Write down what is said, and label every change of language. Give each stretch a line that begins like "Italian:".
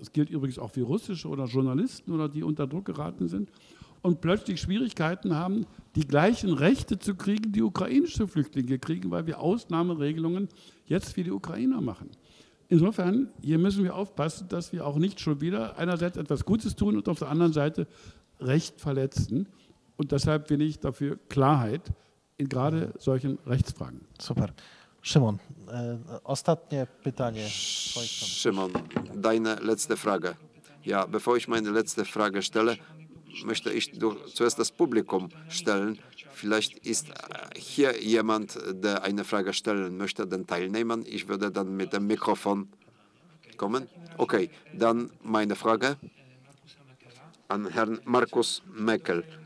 German: Das gilt übrigens auch für Russische oder Journalisten oder die unter Druck geraten sind und plötzlich Schwierigkeiten haben, die gleichen Rechte zu kriegen, die ukrainische Flüchtlinge kriegen, weil wir Ausnahmeregelungen jetzt für die Ukrainer machen. Insofern, hier müssen wir aufpassen, dass wir auch nicht schon wieder einerseits etwas Gutes tun und auf der anderen Seite Recht verletzen. Und deshalb bin ich dafür Klarheit in gerade solchen Rechtsfragen. Super.
Polish: Szymon, ostatnie pytanie.
German: Szymon, deine letzte Frage. Ja, bevor ich meine letzte Frage stelle, möchte ich zuerst das Publikum stellen. Vielleicht ist hier jemand, der eine Frage stellen möchte, den Teilnehmern. Ich würde dann mit dem Mikrofon kommen. Okay, dann meine Frage an Herrn Markus Meckel.